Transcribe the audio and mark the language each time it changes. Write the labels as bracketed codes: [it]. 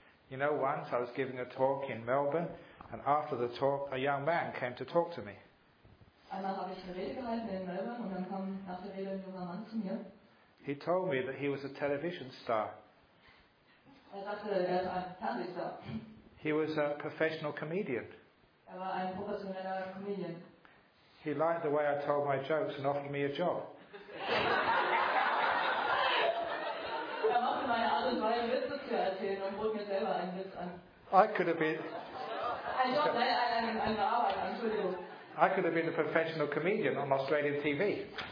[en] You know, once I was giving a talk in Melbourne, and after the talk a young man came to talk to me. [de] Einmal habe ich eine Rede gehalten in Melbourne und dann kam nach der Rede ein junger Mann zu mir. [en] He told me that he was a television star. [de] Er sagte, er ist ein Fernsehstar. [en] He was a professional comedian. [de] Er war ein professioneller Comedian. [en] He liked the way I told my jokes and offered me a job. [de] Er machte meine Art und Weise, Witze zu erzählen und bot mir selber einen Witz an. [en] I could have been... [de] Ein Job, nein, eine Arbeit, Entschuldigung. [en] I could have been a professional comedian on Australian TV.